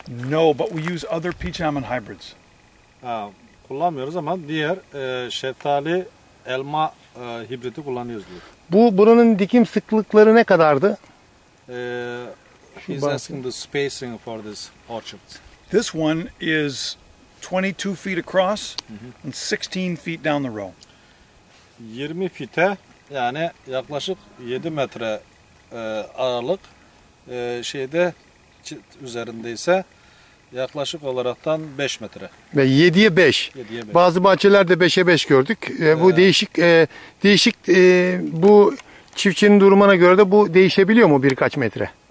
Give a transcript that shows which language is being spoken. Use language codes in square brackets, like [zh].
[en] No, but we use other peach almond hybrids. [tr] Kullanmıyoruz ama diğer şeftali elma hibriti kullanıyoruz diyor. Bu buranın dikim sıklıkları ne kadardı? [en] He's asking the spacing for this orchard. This one is 22 feet across and 16 feet down the row. [tr] 20 fite yani yaklaşık 7 metre aralık şeyde üzerindeyse yaklaşık olaraktan 5 metre. Ve 7'ye 5. Bazı bahçelerde 5'e 5 gördük. Bu değişik bu çiftçinin durumuna göre de bu değişebiliyor mu birkaç metre?